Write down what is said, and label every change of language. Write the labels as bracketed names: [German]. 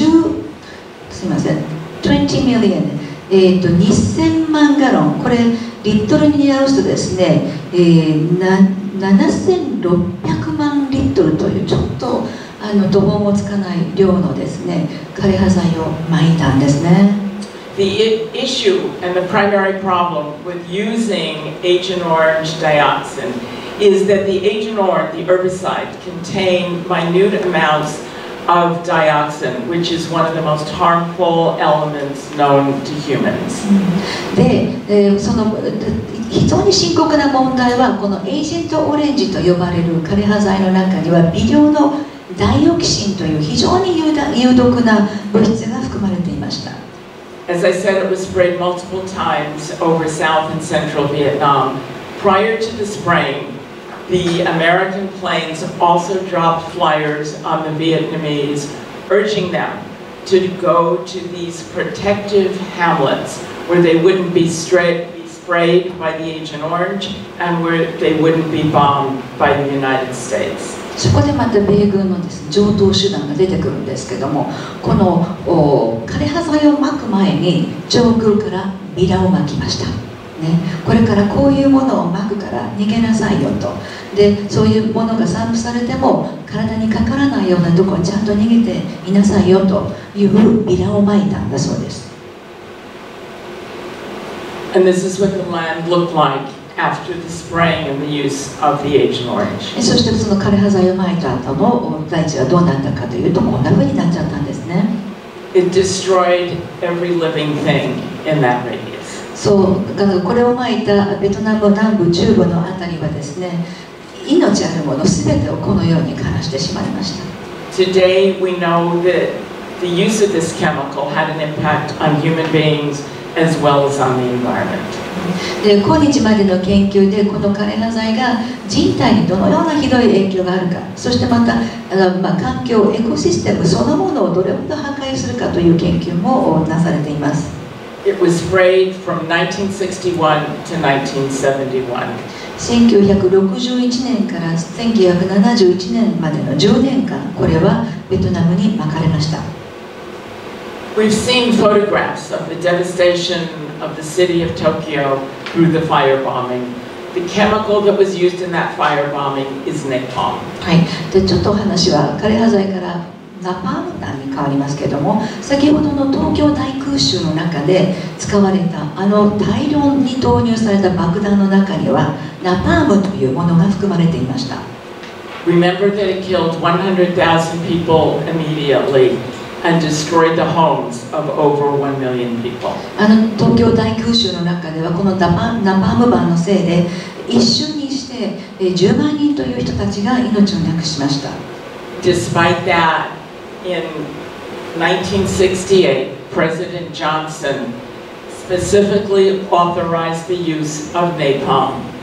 [English] 20 million [Japanese] 2000万ガロン、これリットルに合うとですね、7600万リットルというちょっと途方もつかない量のですね枯葉剤を撒いたんですね。 [English] The issue and the primary problem with using Agent Orange dioxin. Is that the Agent Orange, the herbicide, contain minute amounts of dioxin, which is one of the most harmful elements known to humans. [Japanese] で、その非常に深刻な問題は、このエージェントオレンジと呼ばれる枯葉剤の中には微量のダイオキシンという非常に有毒な物質が含まれていました。 [English] As I said, it was sprayed multiple times over South and Central Vietnam prior to the spraying. The American planes also dropped flyers on the Vietnamese, urging them to go to these protective hamlets where they wouldn't be sprayed by the Agent Orange and where they wouldn't be bombed by the United States. [Japanese] そこでまた米軍のですね、上等手段が出てくるんですけども、この枯葉剤をまく前に上空からビラをまきました。これからこういうものを撒くから逃げなさいよと、でそういうものが散布されても体にかからないようなところにちゃんと逃げていなさいよというビラを撒いたんだそうです。 [English] And this is what the land looked like after the spraying and the use of the Agent Orange. [Japanese] そしてその枯れ葉剤をまいた後も大地はどうなったかというとこんな風になっちゃったんですね。 [English] It destroyed every living thing in that radius. [Japanese] そう、だからこれをまいたベトナム南部中部のあたりはですね、命あるもの全てをこのように枯らしてしまいました。 [English] Today we know that the use of this chemical had an impact on human beings as well as on the environment. [Japanese] で、今日までの研究でこの枯れ葉剤が人体にどのようなひどい影響があるか、そしてまた、環境、エコシステムそのものをどれほど破壊するかという研究もなされています。 [English] It was sprayed from 1961 to 1971. [Japanese] 1961年から1971年までの10年間、これはベトナムに撒かれました。 [English] We've seen photographs of the devastation of the city of Tokyo through the firebombing. The chemical that was used in that firebombing is napalm. [Japanese] はい。で、ちょっとお話は枯れ葉剤からナパーム弾に変わりますけれども、先ほどの東京大空襲の中で使われた、あの大量に投入された爆弾の中には、ナパームというものが含まれていました。 [English] Remember that it killed 100,000 people immediately and destroyed the homes of over 1 million people. [Japanese] あの東京大空襲の中では、このナパーム弾のせいで、一瞬にして10万人という人たちが命をなくしました。 [English] Despite that, in 1968, President Johnson specifically authorized the use of napalm.